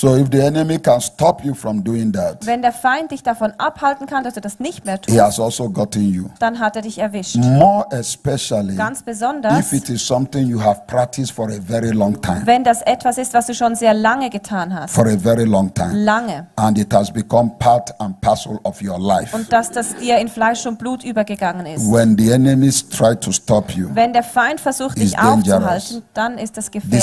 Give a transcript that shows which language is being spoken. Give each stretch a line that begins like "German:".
English: So if the enemy can stop you from doing that,
German: wenn der Feind dich davon abhalten kann, dass du das nicht mehr tust,
English: he has also gotten you.
German: Dann hat er dich erwischt.
English: More especially,
German: ganz besonders,
English: if it is something you have practiced for a very long time,
German: wenn das etwas ist, was du schon sehr lange getan hast,
English: for a very long time,
German: lange,
English: and it has become part and parcel of your life,
German: und dass das dir in Fleisch und Blut übergegangen.
English: When the enemies try to stop you,
German: wenn der Feind versucht, dich aufzuhalten, dann ist das gefährlich.